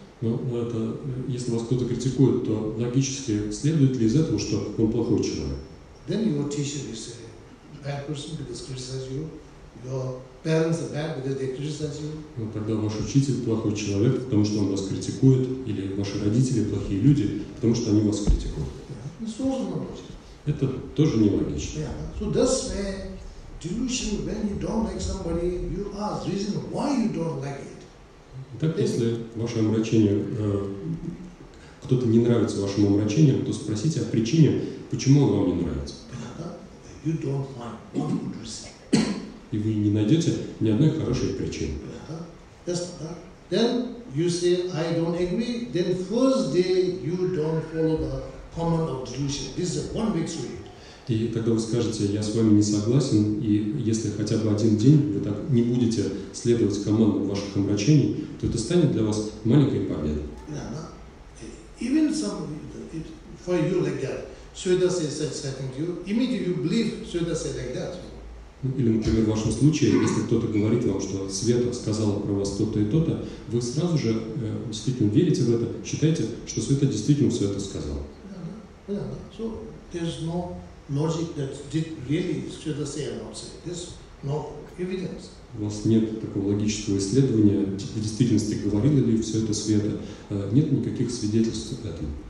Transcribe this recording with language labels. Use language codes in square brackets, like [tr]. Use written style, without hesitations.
[ru] Ну это, если вас кто-то критикует, то логически следует ли из этого, что он плохой человек? [en] Then your teacher is a bad person because criticizes you. Your parents are bad because they criticize you. [ru] Ну тогда ваш учитель плохой человек, потому что он вас критикует, или ваши родители плохие люди, потому что они вас критикуют. Yeah. Несложно работать. Это тоже нелогично. Yeah. [en] So that's where delusion, when you don't like somebody, you ask reason why you don't like it. [ru] Так, если ваше омрачение, кто-то не нравится вашему омрачению, то спросите о причине, почему он вам не нравится. [en] You don't find one good reason. [ru] И вы не найдете ни одной хорошей причины. [en] Yes, then you say I don't agree. Then first day you don't follow the command of delusion. This is one week's read. [ru] И тогда вы скажете, я с вами не согласен, и если хотя бы один день вы так не будете следовать командам ваших омрачений, то это станет для вас маленькой победой. [en] Yeah, even some for you like that. [ru] Сюда сказал, [en] second you immediately you believe. Сюда сказал, like that. [ru] Или, например, в вашем случае, если кто-то говорит вам, что Света сказала про вас то-то и то-то, вы сразу же действительно верите в это, считаете, что Света действительно все это сказала. [en] So there's no logic that did really Света say or not say. There's no evidence. [ru] У вас нет такого логического исследования, в действительности говорила ли все это Света. Нет никаких свидетельств об этом.